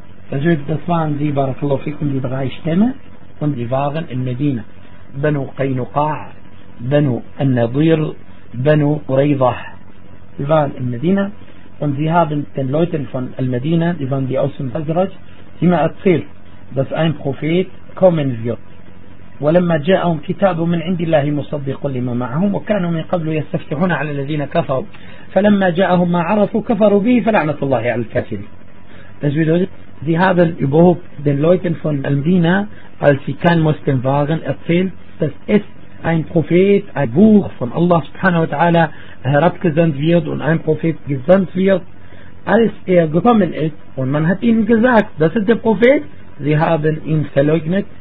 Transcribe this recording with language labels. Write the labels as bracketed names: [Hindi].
[German] Das waren die, barakallahu fikum, die drei Stämme, und die waren in Medina. Banu Qaynuqa', Banu An-Nadir, Banu Quraydah. Die waren in Medina und sie haben den Leuten von Al-Medina, die waren die aus dem Khazraj, immer erzählt, dass ein Prophet kommen wird. [Arabic] ولما جاءهم كتاب من عند الله مصدق لما معهم وكانوا من قبل يستفتحون على الذين كفروا فلما جاءهم ما عرفوا كفروا به فلعنة الله على الكافرين. [German] Das bedeutet, sie haben überhaupt den Leuten von Medina, als sie kein Muslim waren, erzählt, dass es ein Prophet, ein Buch von Allah subhanahu wa ta'ala herabgesandt wird und ein Prophet gesandt wird. Als er gekommen ist und man hat ihnen gesagt, das ist der Prophet, sie haben ihn verleugnet.